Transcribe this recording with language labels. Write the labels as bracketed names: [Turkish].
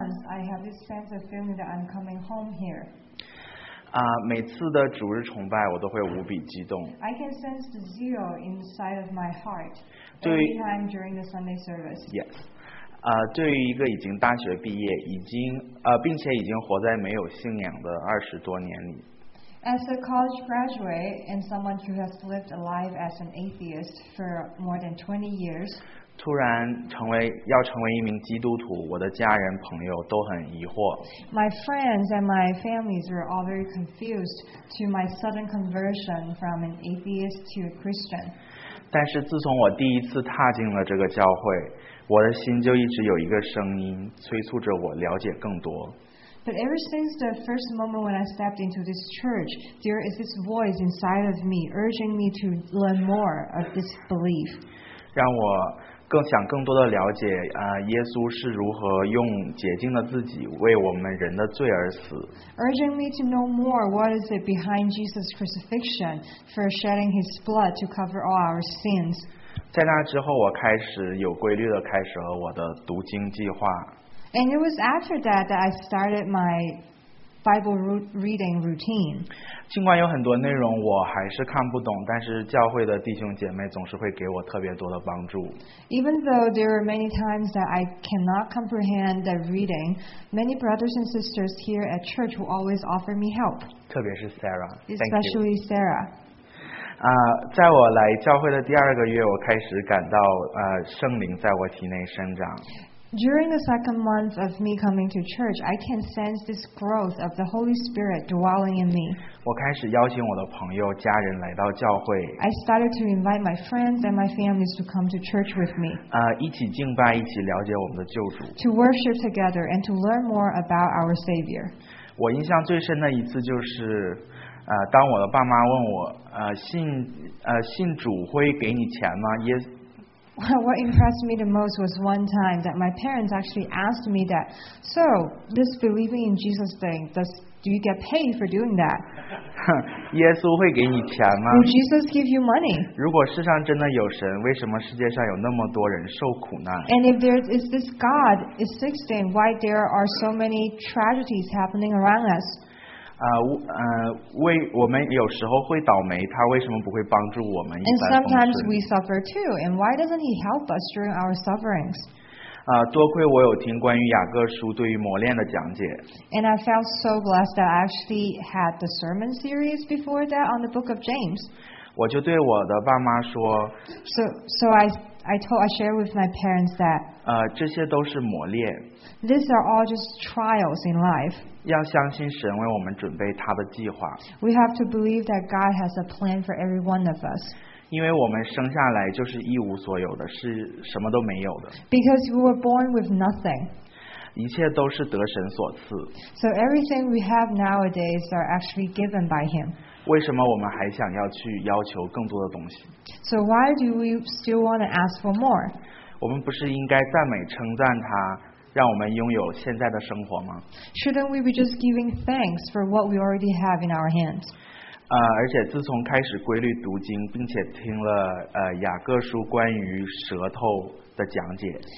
[English] I have this sense of feeling that I'm coming home here. [Chinese] 每次的主日崇拜我都会无比激动。 [English] I can sense the zeal inside of my heart anytime during the Sunday service. Yes. [Chinese] 对于一个已经大学毕业，已经并且已经活在没有信仰的二十多年里。 [English] As a college graduate and someone who has lived a life as an atheist for more than 20 years, [Chinese] 突然要成为一名基督徒，我的家人朋友都很疑惑。 [English] My friends and my families were all very confused to my sudden conversion from an atheist to a Christian. [Chinese] 但是自从我第一次踏进了这个教会，我的心就一直有一个声音催促着我了解更多。 [English] But ever since the first moment when I stepped into this church, there is this voice inside of me urging me to learn more of this belief. [Chinese] 让我更想更多的了解耶稣是如何用洁净的自己为我们人的罪而死。 [English] Urging me to know more what is it behind Jesus' crucifixion for shedding his blood to cover all our sins. [Chinese] 在那之后，我开始有规律的开始了我的读经计划。 [English] And it was after that that I started my Bible reading routine. [Chinese] 尽管有很多内容我还是看不懂，但是教会的弟兄姐妹总是会给我特别多的帮助。 [English] Even though there are many times that I cannot comprehend the reading, many brothers and sisters here at church will always offer me help. [Chinese] 特别是 Sarah. [English] Especially Sarah. [Chinese] 在我来教会的第二个月，我开始感到圣灵在我体内生长。 [English] During the second month of me coming to church, I can sense this growth of the Holy Spirit dwelling in me. [Chinese] 我开始邀请我的朋友、家人来到教会。 [English] I started to invite my friends and my families to come to church with me. [Chinese] 一起敬拜，一起了解我们的救主。 [English] To worship together and to learn more about our Savior. [Chinese] 我印象最深的一次就是，当我的爸妈问我，信主会给你钱吗？耶。 [English] What impressed me the most was one time that my parents actually asked me that, so this believing in Jesus thing, do you get paid for doing that? [Chinese] 耶稣会给你钱吗？ [English] Will Jesus give you money? [Chinese] 如果世上真的有神，为什么世界上有那么多人受苦难？ [English] And if there is this God existing, why there are so many tragedies happening around us? [Chinese] 我们有时候会倒霉，他为什么不会帮助我们一帆风顺？ [English] And sometimes we suffer too, and why doesn't he help us during our sufferings? [Chinese] 多亏我有听关于雅各书对于磨练的讲解。 [English] And I felt so blessed that I actually had the sermon series before that on the book of James. [Chinese] 我就对我的爸妈说。 [English] So I shared with my parents that. [Chinese] 这些都是磨练。 [English] These are all just trials in life. [Chinese] 要相信神为我们准备他的计划。 [English] We have to believe that God has a plan for every one of us. [Chinese] 因为我们生下来就是一无所有的，是什么都没有的。 [English] Because we were born with nothing. [Chinese] 一切都是得神所赐。 [English] So everything we have nowadays are actually given by Him. [Chinese] 为什么我们还想要去要求更多的东西？ [English] So why do we still want to ask for more? [Chinese] 我们不是应该赞美称赞他？让我们拥有现在的生活吗？ [English] Shouldn't we be just giving thanks for what we already have in our hands? [Chinese] 而且自从开始规律读经，并且听了雅各书关于舌头的讲解。